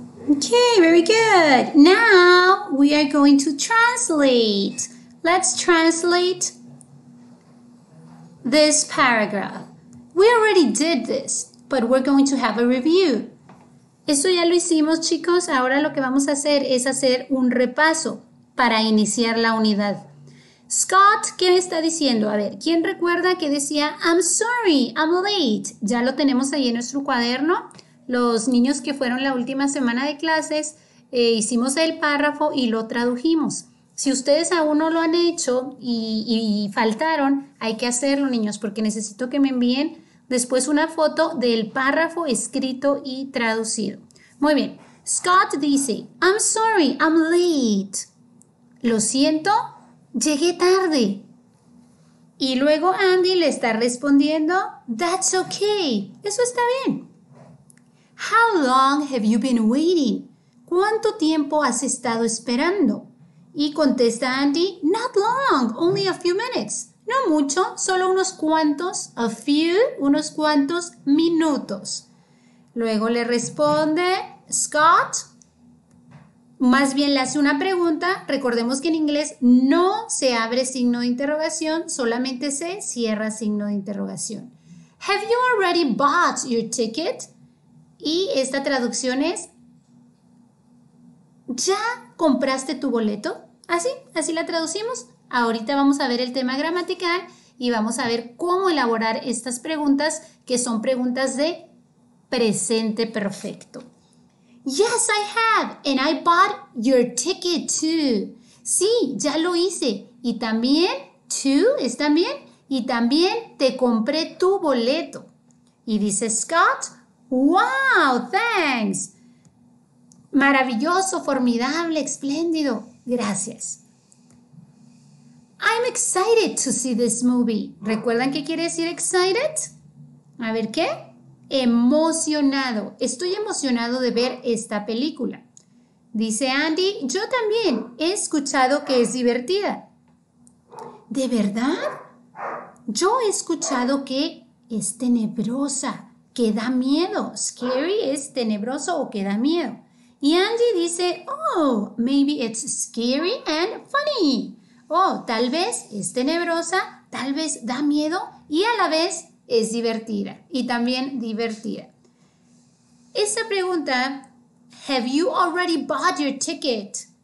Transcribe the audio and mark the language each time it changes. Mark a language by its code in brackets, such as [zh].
[en] Okay, very good. Now we are going to translate. Let's translate this paragraph. We already did this, but we're going to have a review. [es] Esto ya lo hicimos, chicos. Ahora lo que vamos a hacer es hacer un repaso para iniciar la unidad. Scott, ¿qué me está diciendo? A ver, ¿quién recuerda que decía, [en] I'm sorry, I'm late? [es] Ya lo tenemos ahí en nuestro cuaderno. Los niños que fueron la última semana de clases, hicimos el párrafo y lo tradujimos. Si ustedes aún no lo han hecho y faltaron, hay que hacerlo, niños, porque necesito que me envíen después una foto del párrafo escrito y traducido. Muy bien. Scott dice, [en] I'm sorry, I'm late. [es] Lo siento, llegué tarde. Y luego Andy le está respondiendo, [en] that's okay. [es] Eso está bien. [en] How long have you been waiting? [es] ¿Cuánto tiempo has estado esperando? Y contesta Andy, [en] not long, only a few minutes. [es] No mucho, solo unos cuantos, [en] a few, [es] unos cuantos minutos. Luego le responde Scott, más bien le hace una pregunta. Recordemos que en inglés no se abre signo de interrogación, solamente se cierra signo de interrogación. [en] Have you already bought your ticket? [es] Y esta traducción es, ¿ya compraste tu boleto? Así, así la traducimos. Ahorita vamos a ver el tema gramatical y vamos a ver cómo elaborar estas preguntas, que son preguntas de presente perfecto. [en] Yes, I have, and I bought your ticket too. [es] Sí, ya lo hice. Y también, too, es también. Y también te compré tu boleto. Y dice Scott, [en] wow, thanks. [es] Maravilloso, formidable, espléndido. Gracias. [en] I'm excited to see this movie. [es] ¿Recuerdan qué quiere decir excited? A ver, ¿qué? Emocionado. Estoy emocionado de ver esta película. Dice Andy, yo también he escuchado que es divertida. ¿De verdad? Yo he escuchado que es tenebrosa. que da miedo. Scary es tenebroso o que da miedo. Y Andy dice, [en] oh, maybe it's scary and funny. [es] Oh, tal vez es tenebrosa, tal vez da miedo y a la vez es divertida. Y también divertida. Esta pregunta, [en] have you already bought your ticket?